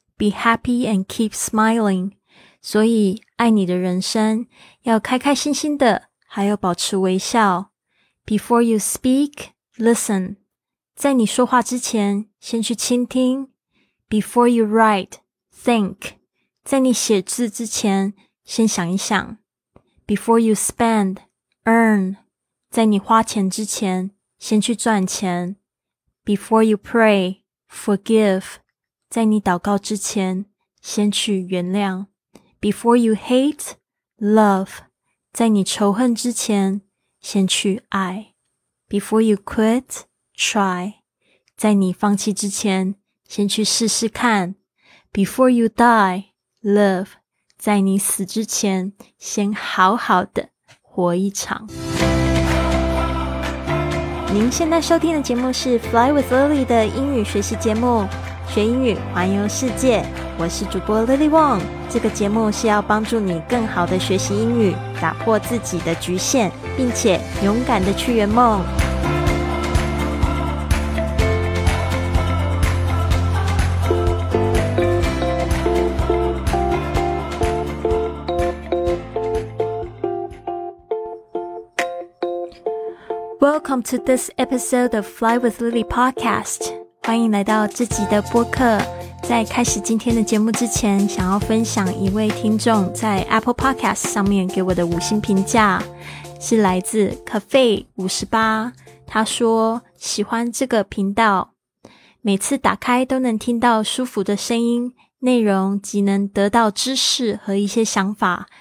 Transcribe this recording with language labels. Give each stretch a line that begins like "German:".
English: Be happy and keep smiling.
Chinese: 所以爱你的人生要开开心心的还要保持微笑。
English: Before you speak, listen.
Chinese: 在你说话之前先去倾听。
English: Before you write, think.
Chinese: 在你写字之前先想一想。
English: Before you spend, earn.
Chinese: 在你花钱之前先去赚钱。
English: Before you pray, forgive.
Chinese: 在你祷告之前先去原谅。
English: Before you hate, love.
Chinese: 在你仇恨之前先去爱。
English: Before you quit, try.
Chinese: 在你放弃之前先去试试看。
English: Before you die, live.
Chinese: 在你死之前先好好的活一场。您现在收听的节目是 Fly with Lily 的英语学习节目，学英语环游世界。我是主播 Lily Wong。这个节目是要帮助你更好的学习英语，打破自己的局限，并且勇敢的去圆梦。
English: Welcome to this episode of Fly with Lily podcast.
Chinese: 欢迎来到这集的播客。在开始今天的节目之前，想要分享一位听众在 Apple Podcast 上面给我的五星评价，是来自 Cafe 58。他说喜欢这个频道，每次打开都能听到舒服的声音，内容即能得到知识和一些想法。